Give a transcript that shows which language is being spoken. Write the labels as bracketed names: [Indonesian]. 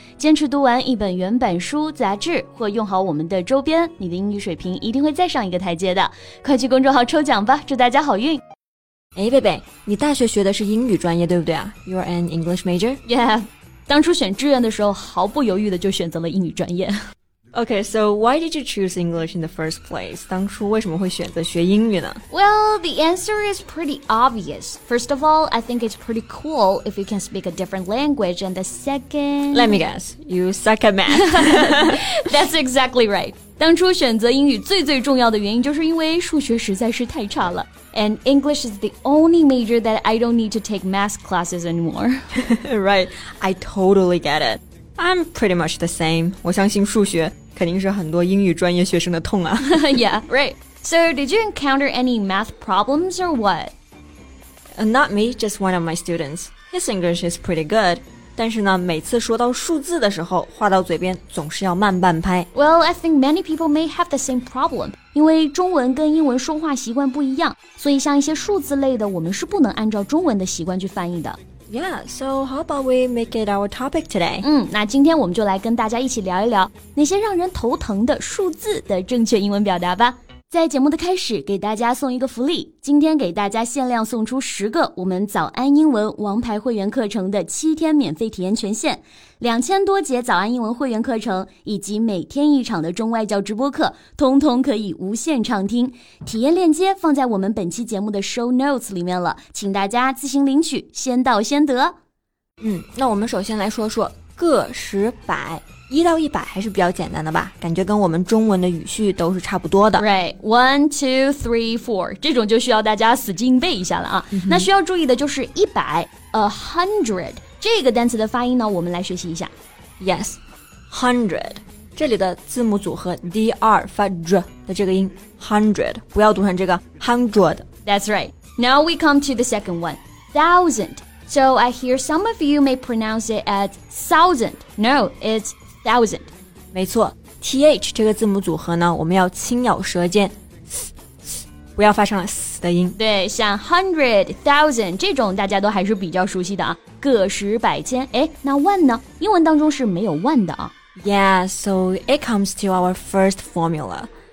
[Chinese] 坚持读完一本原版书、杂志或用好我们的周边，你的英语水平一定会再上一个台阶的。快去公众号抽奖吧，祝大家好运。哎，贝贝，你大学学的是英语专业对不对啊？ [English] You're an English major? [Chinese] Yeah, 当初选志愿的时候毫不犹豫的就选择了英语专业。 [English] Okay, so why did you choose English in the first place? [Chinese] 当初为什么会选择学英语呢？ [English] Well, the answer is pretty obvious. First of all, I think it's pretty cool if you can speak a different language. And the second... Let me guess, you suck at math. That's exactly right. [Chinese] 当初选择英语最最重要的原因就是因为数学实在是太差了。 [English] And English is the only major that I don't need to take math classes anymore. Right, I totally get it. I'm pretty much the same. [Chinese] 我相信数学肯定是很多英语专业学生的痛啊。 [English] Yeah, right. So did you encounter any math problems or what? Not me, just one of my students. His English is pretty good. [Chinese] 但是呢，每次说到数字的时候，话到嘴边总是要慢半拍。 [English] Well, I think many people may have the same problem. [Chinese] 因为中文跟英文说话习惯不一样，所以像一些数字类的，我们是不能按照中文的习惯去翻译的。 [English] Yeah, so how about we make it our topic today? [Chinese] 那今天我们就来跟大家一起聊一聊那些让人头疼的数字的正确英文表达吧。在节目的开始，给大家送一个福利，今天给大家限量送出十个我们早安英文王牌会员课程的七天免费体验权限，2000多节早安英文会员课程以及每天一场的中外教直播课，通通可以无限畅听。体验链接放在我们本期节目的 show notes 里面了，请大家自行领取，先到先得。那我们首先来说说个、十、百。一到一百还是比较简单的吧，感觉跟我们中文的语序都是差不多的。 Right, 1, 2, 3, 4, 这种就需要大家死记硬背一下了啊。 Mm-hmm. 那需要注意的就是一百 ,100, 这个单词的发音呢，我们来学习一下。 Yes, 100, 这里的字母组合 DR 发 dr 的这个音 ,100, 不要读成这个 hundred. [English] That's right. Now we come to the second one, 1000. So I hear some of you may pronounce it as thousand. No, it's thousand. [Chinese] 没错 ,th 这个字母组合呢，我们要轻咬舌尖 ,th, 不要发生了 th 的音。对，像 hundred, thousand, 这种大家都还是比较熟悉的啊。个、十、百、千，诶，那万呢？英文当中是没有万的啊。 [English] Yeah, so it comes to our first formula.